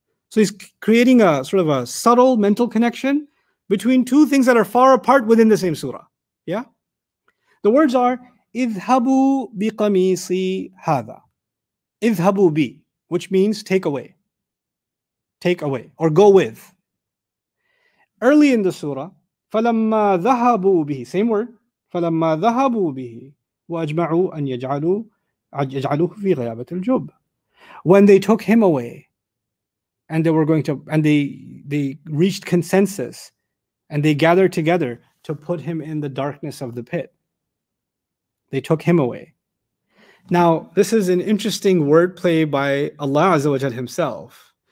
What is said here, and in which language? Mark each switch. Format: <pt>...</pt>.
<en>So He's creating a sort of a subtle mental connection between two things that are far apart within the same surah. Yeah? The words are,</en> <ar>اذهبوا بقميصي هذا. اذهبوا بي,</ar> <en>which means take away. Take away or go with. Early in the surah,</en> <ar>فَلَمَّا ذَهَبُوا بِهِ,</ar> <en>same word,</en> <ar>فَلَمَّا ذَهَبُوا بِهِ وَأَجْمَعُوا أَنْ يَجْعَلُوهُ فِي غَيَابَةِ الْجُبِّ.</ar> <en>When they took him away and they were going to, and they reached consensus and they gathered together to put him in the darkness of the pit. They took him away. Now, this is an interesting wordplay by Allah Azza wa Jalla himself.</en>